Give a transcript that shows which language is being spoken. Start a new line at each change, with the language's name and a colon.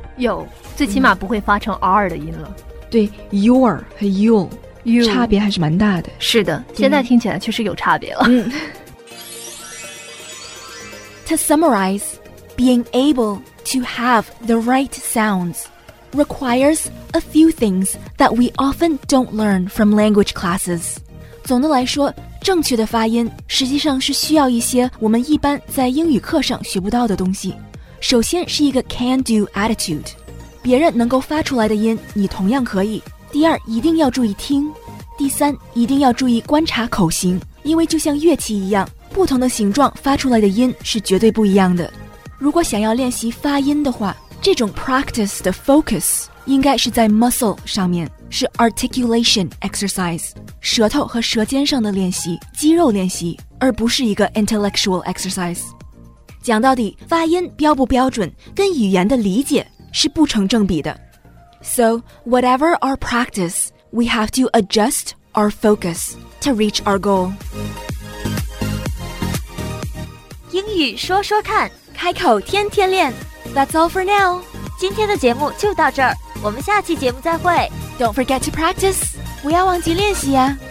Chinese: 有，最起码不会发成 R 的音了、嗯、对 Your 和 You 差别还是蛮大的。是的，现在听起来确实有差别了、
English: 嗯、To summarize, being ableTo have the right sounds requires a few things that we often don't learn from language classes.
Chinese: 总的来说，正确的发音实际上是需要一些我们一般在英语课上学不到的东西。首先是一个
English: can-do attitude，
Chinese: 别人能够发出来的音，你同样可以。第二，一定要注意听。第三，一定要注意观察口型，因为就像乐器一样，不同的形状发出来的音是绝对不一样的。如果想要练习发音的话，这种 practice 的 focus 应该是在 muscle 上面，是
English: articulation exercise，
Chinese: 舌头和舌尖上的练习，肌肉练习，而不是一个
English: intellectual exercise。
Chinese: 讲到底，发音标不标准跟语言的理解是不成正比的。
English: So whatever our practice, we have to adjust our focus to reach our goal。
Chinese: 英语说说看，开口天天练。
English: That's all for now，
Chinese: 今天的节目就到这儿，我们下期节目再会。
English: Don't forget to practice，
Chinese: 不要忘记练习啊。